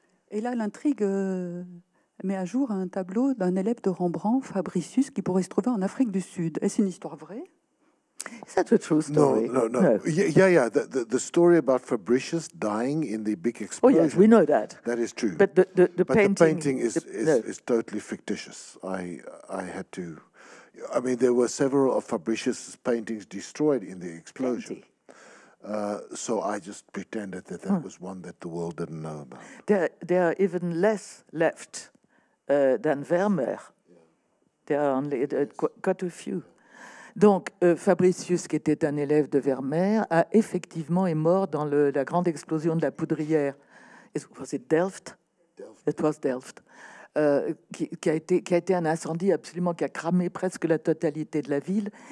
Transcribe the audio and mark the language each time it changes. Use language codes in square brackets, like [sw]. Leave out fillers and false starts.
[fr] Et là, l'intrigue met à jour un tableau d'un élève de Rembrandt, Fabricius, qui pourrait se trouver en Afrique du Sud. Est-ce une histoire vraie? [en] Is that a true story? No. Yeah. The story about Fabricius dying in the big explosion. Oh, yes, we know that. That is true. But the but painting... But the painting is totally fictitious. I had to... I mean, there were several of Fabricius's paintings destroyed in the explosion. So I just pretended that was one that the world didn't know about. There are even less left than Vermeer. Yeah. There are only quite a few. [fr] Donc, Fabricius, qui était un élève de Vermeer, a effectivement est mort dans la grande explosion de la Poudrière. [en] Was it Delft? Delft. It was Delft. [fr] Qui a été un incendie absolument qui a cramé presque la totalité de la ville.